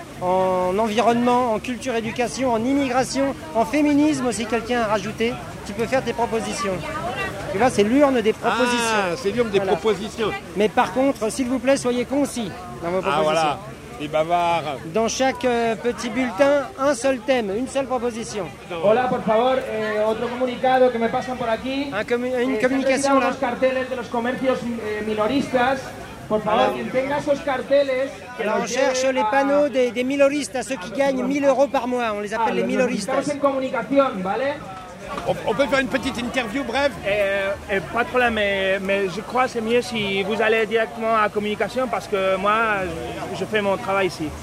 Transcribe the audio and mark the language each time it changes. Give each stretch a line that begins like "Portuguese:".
French: En environnement, en culture, éducation, en immigration, en féminisme aussi, quelqu'un a rajouté. Tu peux faire tes propositions. Tu vois, c'est l'urne des propositions. Ah, c'est l'urne des propositions. Mais par contre, s'il vous plaît, soyez concis dans vos propositions. Ah voilà, les bavards. Dans chaque petit bulletin, un seul thème, une seule proposition.
Spanish: Hola, por favor, otro comunicado que me pasan por aquí.
French: Une communication là.
Spanish: Los carteles de los comercios minoristas.
French: Alors on cherche les panneaux des minoristes, à ceux qui gagnent 1000 euros par mois, on les appelle les minoristes. On peut faire une petite interview, bref. Pas de problème, mais je crois que c'est mieux si vous allez directement à communication, parce que moi, je fais mon travail ici.